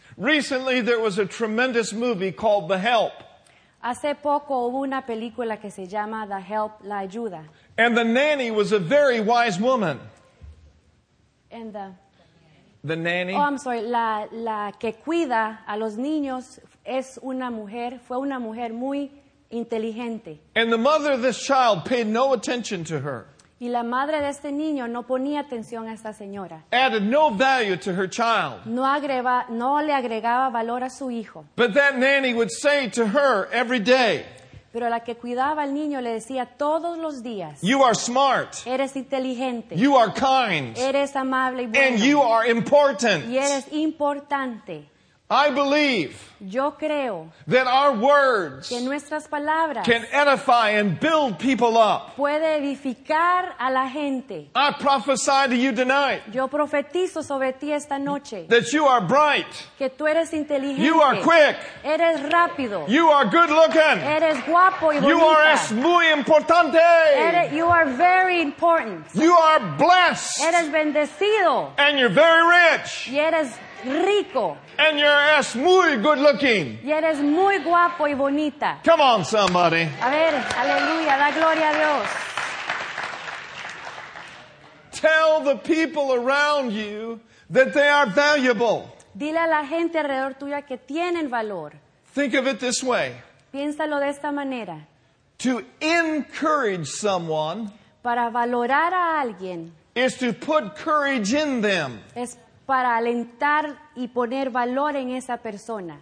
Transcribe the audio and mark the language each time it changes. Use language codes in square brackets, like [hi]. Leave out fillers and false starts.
[en] Recently, there was a tremendous movie called The Help. [es] Hace poco hubo una película que se llama The Help, La Ayuda. [en] And the nanny was a very wise woman. And the... The nanny? Oh, I'm sorry. [es] La que cuida a los niños es una mujer, fue una mujer muy inteligente. [en] And the mother of this child paid no attention to her. [es] Y la madre de este niño no ponía atención a esta señora. [en] Added no value to her child. [es] No le agregaba valor a su hijo. [en] But that nanny would say to her every day. [es] Pero la que cuidaba al niño le decía todos los días. [en] You are smart. [es] Eres inteligente. [en] You are kind. [es] Eres amable y bueno. [en] And you are important. [es] Y eres importante. [en] I believe. [es] Yo creo. [en] That our words. [es] Que nuestras palabras. [en] Can edify and build people up. [es] Puede edificar a la gente. [en] I prophesy to you tonight. [es] Yo profetizo sobre ti esta noche. [en] That you are bright. [es] Que tú eres inteligente. [en] You are quick. [es] Eres rápido. [en] You are good looking. [es] Eres guapo y bonita. [en] You are [es] es muy importante. [en] You are very important. You are blessed. [es] Eres bendecido. [en] And you're very rich. [es] Y eres rico. [en] And your ass muy good looking. [es] Y eres muy guapo y bonita. [en] Come on, somebody. [es] A ver, aleluya, da gloria a Dios. [en] Tell the people around you that they are valuable. [es] Dile a la gente alrededor tuya que tienen valor. [en] Think of it this way. [es] Piénsalo de esta manera. [en] To encourage someone. [es] Para valorar a alguien. [en] Is to put courage in them. [es] Es para alentar y poner valor en esa persona.